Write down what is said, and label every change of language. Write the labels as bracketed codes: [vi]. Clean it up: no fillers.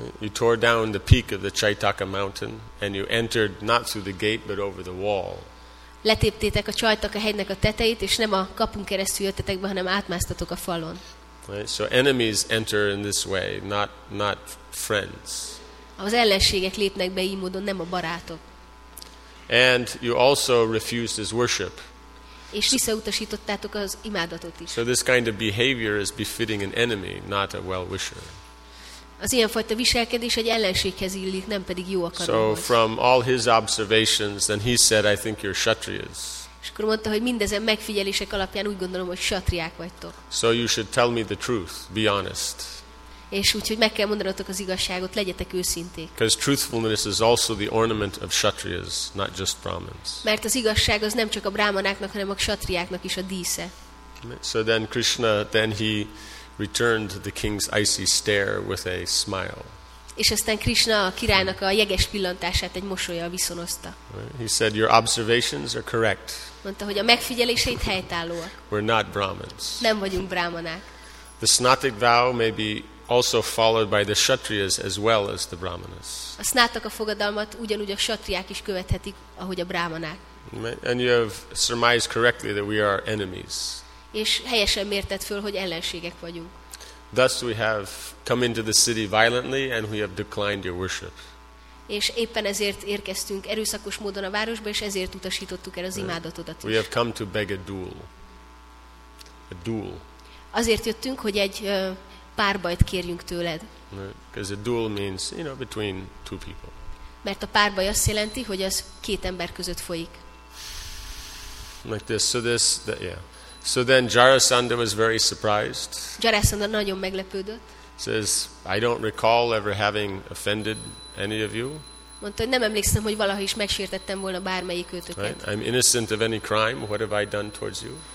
[en] You tore down the peak of the Chaitaka mountain, and you entered not through the gate, but over the wall. [hu] Letéptétek a Chaitaka hegynek a tetejét, és nem a kapun keresztül jöttetek be, hanem átmásztatok a falon. [en] Right? So enemies enter in this way, not friends. [hu] Az ellenségek lépnek be így módon, nem a barátok. [en] And you also refused his worship. [hu] És visszautasítottátok az imádatot is. [en] So this kind of behavior is befitting an enemy, not a well-wisher. [hu] Az ilyenfajta viselkedés egy ellenséghez illik, nem pedig jó akaróhoz. [en] So from all his observations, then he said, I think you're Kshatriyas. [hu] És akkor mondta, hogy mindezen megfigyelések alapján úgy gondolom, hogy satriák vagytok. [en] So you should tell me the truth, be honest. [hu] És úgy, hogy meg kell mondanatok az igazságot, legyetek őszinték. [en] Because truthfulness is also the ornament of kshatriyas, not just brahmins. [hu] Mert az igazság az nem csak a brahmanáknak, hanem a kshatriáknak is a dísze. [en] So then Krishna, then he returned the king's icy stare with a smile. [hu] És aztán Krishna a királynak a jeges pillantását egy mosolyjal viszonozta. [en] He said, your observations are correct. [hu] Mondta, hogy a megfigyeléseid helytállóak. [en] We're not Brahmins. [hu] Nem vagyunk brahmanák. [en] The snatic vow may be also followed by the kshatriyas as well as the brahmanas. [hu] A snataka fogadalmat ugyanúgy a kshatriák is követhetik, ahogy a brahmanák. [en] And you have surmised correctly that we are enemies. [hu] És helyesen mérted föl, hogy ellenségek vagyunk. [en] Thus we have come into the city violently and we have declined your worship. [hu] És éppen ezért érkeztünk erőszakos módon a városba, és ezért utasítottuk el az imádatodat is. [en] We have come to beg a duel. A duel. [hu] Azért jöttünk, hogy egy párbajt kérjünk tőled. [en] Because a duel means, you know, between two people. [hu] Mert a párbaj azt jelenti, hogy az két ember között folyik. [en] Like this, so this, that, yeah. So then Jarasandha was very surprised. [hu] Jarasandha nagyon meglepődött. [en] Says, I don't recall ever having offended any of you. [hu] Mondta, hogy nem emlékszem, hogy valaha is megsértettem volna bármelyikőtöket. [en] I'm innocent of any crime. What have I done towards you?